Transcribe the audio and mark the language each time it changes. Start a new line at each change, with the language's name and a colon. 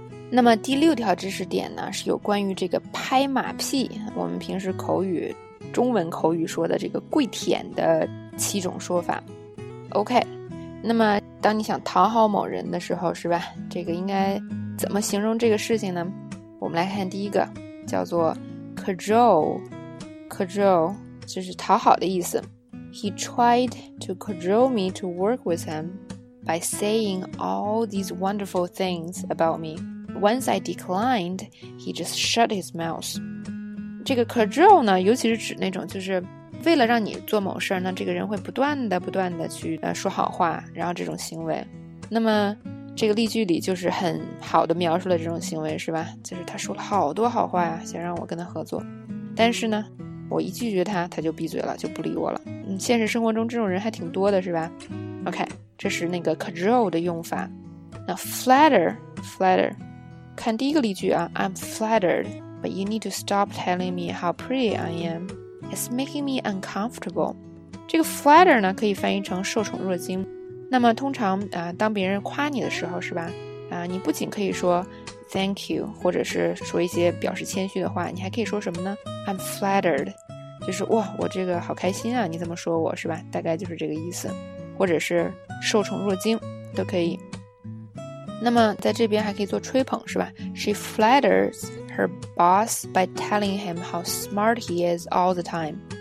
Chinese: 那么第六条知识点呢，是有关于这个拍马屁，我们平时口语，中文口语说的这个跪舔的七种说法。 OK， 那么当你想讨好某人的时候，是吧？这个应该怎么形容这个事情呢？我们来看第一个，叫做 cajole， 就是讨好的意思。
English: He tried to cajole me to work with him by saying all these wonderful things about me. Once I declined, he just shut his mouth.
Chinese: 这个 cajole 呢，尤其是指那种就是为了让你做某事呢，这个人会不断的去说好话，然后这种行为。那么这个例句里就是很好的描述了这种行为，是吧？就是他说了好多好话，想让我跟他合作，但是呢，我一拒绝他，他就闭嘴了，就不理我了。现实生活中这种人还挺多的，是吧？OK， 这是那个 cajole 的用法。
English: 那 flatter，
Chinese: 看第一个例句啊，
English: I'm flattered， but you need to stop telling me how pretty I am. It's making me uncomfortable.
Chinese: 这个 flatter 呢，可以翻译成受宠若惊。那么通常当别人夸你的时候，是吧？你不仅可以说 thank you， 或者是说一些表示谦虚的话，你还可以说什么呢？
English: I'm flattered，
Chinese: 就是哇，我这个好开心啊，你怎么说我，是吧？大概就是这个意思，或者是受宠若惊都可以。那么在这边还可以做吹捧，是吧？
English: She flatters her boss by telling him how smart he is all the time.